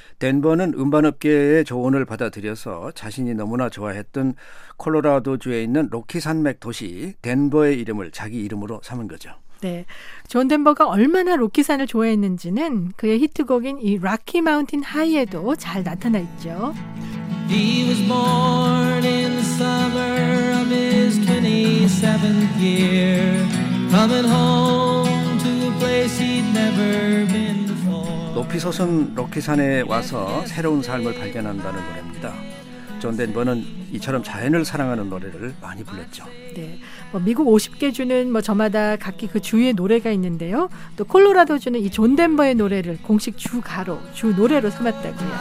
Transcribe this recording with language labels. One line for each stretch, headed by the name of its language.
Korean: 덴버는 음반업계의 조언을 받아들여서 자신이 너무나 좋아했던 콜로라도주에 있는 로키산맥 도시 덴버의 이름을 자기 이름으로 삼은 거죠. 네, 존 덴버가 얼마나 로키산을 좋아했는지는 그의 히트곡인 이 Rocky Mountain High에도 잘 나타나 있죠.
English: He was born in the summer of his 27th year, coming home to a place he'd never been before.
Korean: 높이 솟은 로키산에 와서 새로운 삶을 발견한다는 노래입니다. 존 덴버는 이처럼 자연을 사랑하는 노래를 많이 불렀죠. 네, 뭐 미국 50개 주는 뭐 저마다 각기 그 주의 노래가 있는데요. 또 콜로라도 주는 이 존 덴버의 노래를 공식 주 가로 주 노래로 삼았다고요.